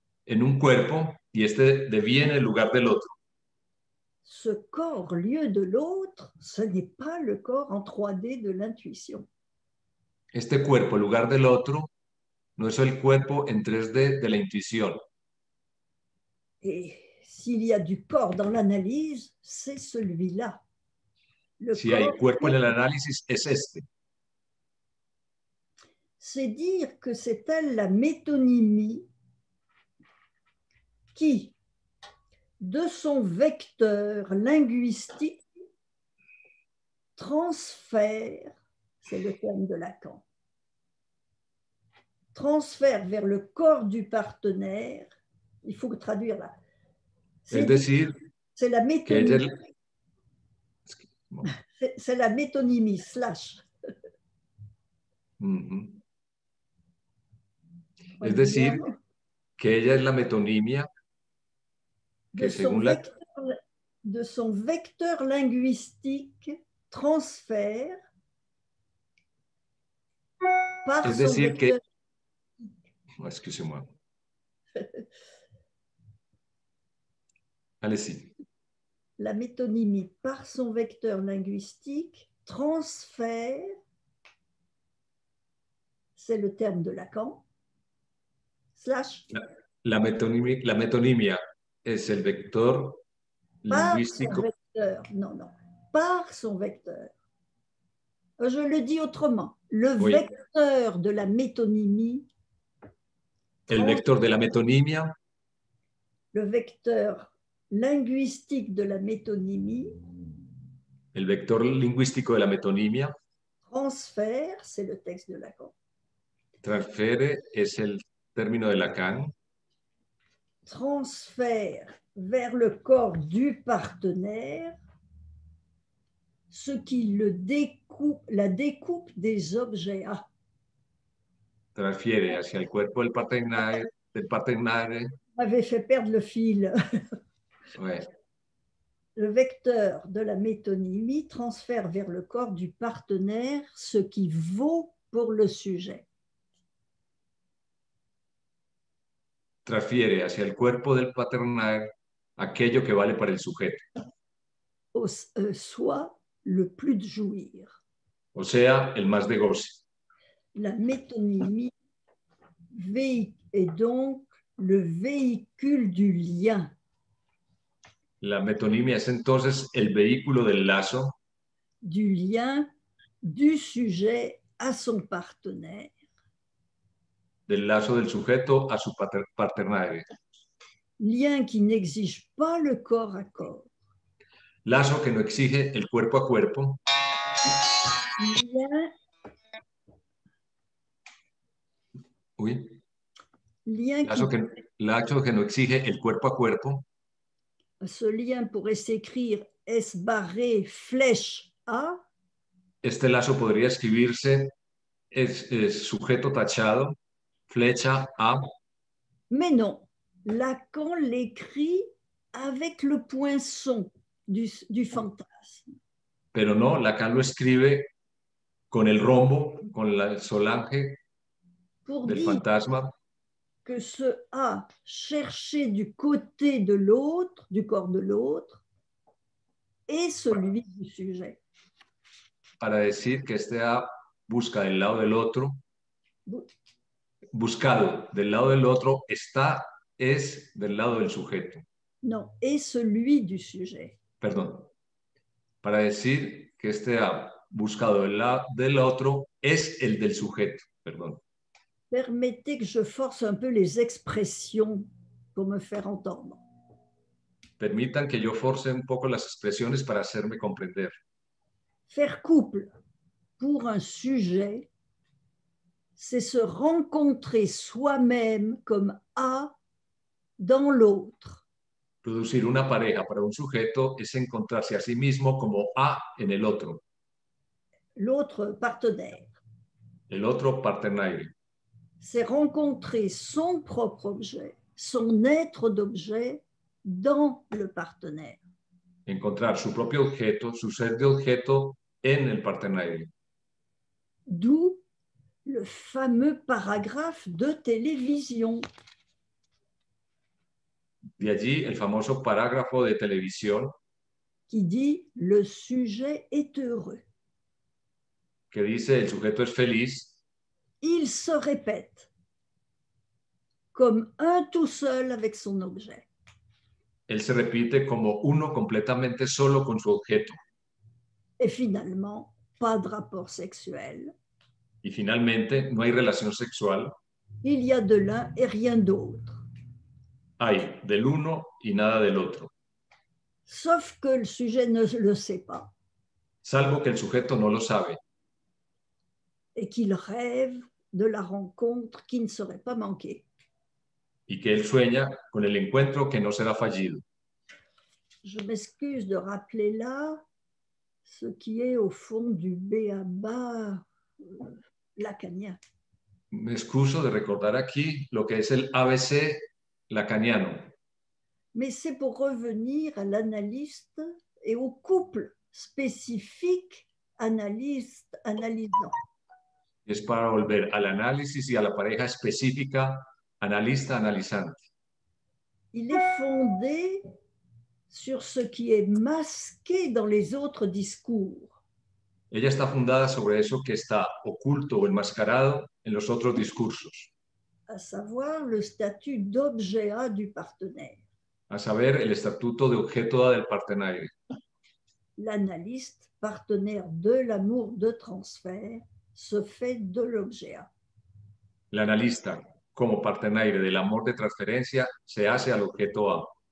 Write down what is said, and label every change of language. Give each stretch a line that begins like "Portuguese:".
Spanish: En un cuerpo y este deviene el lugar del otro.
French: Ce corps lieu de l'autre, ce n'est pas le corps en 3D de l'intuition.
Spanish: Este cuerpo, lugar del otro, no es el cuerpo en 3D de la intuición.
French: Et s'il y a du corps dans l'analyse, c'est celui-là.
Spanish: Si hay cuerpo en el análisis, es este.
French: C'est dire que c'est elle la métonymie qui, de son vecteur linguistique, transfère, c'est le terme de Lacan, transfère vers le corps du partenaire, il faut traduire là. C'est la métonymie. C'est la métonymie, slash.
Spanish: Es decir, que ella es la metonymia.
French: De son, vecteur, de son vecteur linguistique transfère par
Spanish: es decir
French: son vecteur que... Excusez-moi. Allez-y. La métonymie par son vecteur linguistique transfère, c'est le terme de Lacan, slash la métonymie.
Spanish: Es el vector lingüístico.
French: Par son vecteur, non. Par son vecteur. Je le dis autrement. Le oui. Vecteur de la métonymie.
Spanish: El vector de la metonimia.
French: Le vecteur linguistique de la métonymie.
Spanish: El vector lingüístico de la metonimia.
French: Transfert, c'est le texte de Lacan.
Spanish: Transfere es el término de Lacan.
French: Transfert vers le corps du partenaire, ce qui le découpe, la découpe des objets A.
Spanish: Transfiere hacia el cuerpo del partenaire. Del partenaire.
French: M'avait fait perdre le fil. Ouais. Le vecteur de la métonymie transfère vers le corps du partenaire ce qui vaut pour le sujet.
Spanish: Transfiere hacia el cuerpo del partenaire aquello que vale para el sujeto.
French: Soit le plus de jouir.
Spanish: O sea, el más de goce.
French: La métonymie est donc le véhicule du lien.
Spanish: La metonimia es entonces el vehículo del lazo.
French: Du lien du sujet à son partenaire.
Spanish: Del lazo del sujeto a su partenaire.
French: Lien qui n'exige pas le corps à corps.
Spanish: Lazo que no exige el cuerpo a cuerpo.
French: Lien. Oui. Lien
Spanish: lazo, qui... que... lazo que no exige el cuerpo a cuerpo.
French: Ce lien pourrait s'écrire S barré flèche A.
Spanish: Este lazo podría escribirse es sujeto tachado, flecha A.
French: Mais non, Lacan l'écrit avec le poinçon du fantasme.
Spanish: Pero no, Lacan lo escribe con el rombo, con la solange
French: pour
Spanish: del fantasma.
French: Que ce A cherché du côté de l'autre, du corps de l'autre, est celui du sujet.
Spanish: Para decir que este A busca del lado del otro, buscado del lado del otro, está, es del lado del sujeto.
French: Non, est celui du sujet.
Spanish: Perdón. Para decir que este A buscado del lado del otro es el del sujeto. Perdón.
French: Permettez que je force un peu les expressions pour me faire entendre.
Spanish: Permitan que yo force un poco las expresiones para hacerme comprender.
French: Faire couple pour un sujet, c'est se rencontrer soi-même comme A dans l'autre.
Spanish: Producir una pareja para un sujeto es encontrarse a sí mismo como A en el otro.
French: L'autre partenaire.
Spanish: El otro partenaire.
French: C'est rencontrer son propre objet, son être d'objet dans le partenaire.
Spanish: Encontrar su propio objeto, su ser de objeto en el partenaire.
French: D'où le fameux paragraphe de télévision.
Spanish: De allí el famoso parágrafo de televisión.
French: Qui dit le sujet est heureux.
Spanish: Que dice el sujeto es feliz.
French: Il se répète comme un tout seul avec son objet.
Spanish: Él se repite como uno completamente solo con su objeto.
French: Et finalement, pas de rapport sexuel.
Spanish: Y finalmente, no hay relación sexual.
French: Il y a de l'un et rien d'autre.
Spanish: Hay del uno y nada del otro.
French: Sauf que le sujet ne le sait pas.
Spanish: Salvo que el sujeto no lo sabe.
French: Et qu'il rêve de la rencontre qui ne serait pas manquée.
Spanish: Y que él sueña con el encuentro que no será fallido.
French: Je m'excuse de rappeler là ce qui est au fond du béaba lacanien.
Spanish: Me excuso de recordar aquí lo que es el ABC lacaniano.
French: Mais c'est pour revenir à l'analyste et au couple spécifique analyste-analysant.
Spanish: Es para volver al análisis y a la pareja específica analista-analizante.
French: Il est fondé sur ce qui est masqué dans les autres discours.
Spanish: Ella está fundada sobre eso que está oculto o enmascarado en los otros discursos.
French: À savoir le statut d'objet A du partenaire.
Spanish: A saber, el estatuto de objeto A del partenaire.
French: L'analyste, partenaire de l'amour de transfert, se fait de l'objet A.
Spanish: L'analista, como partenaire del amor de transferencia, se hace al objeto A.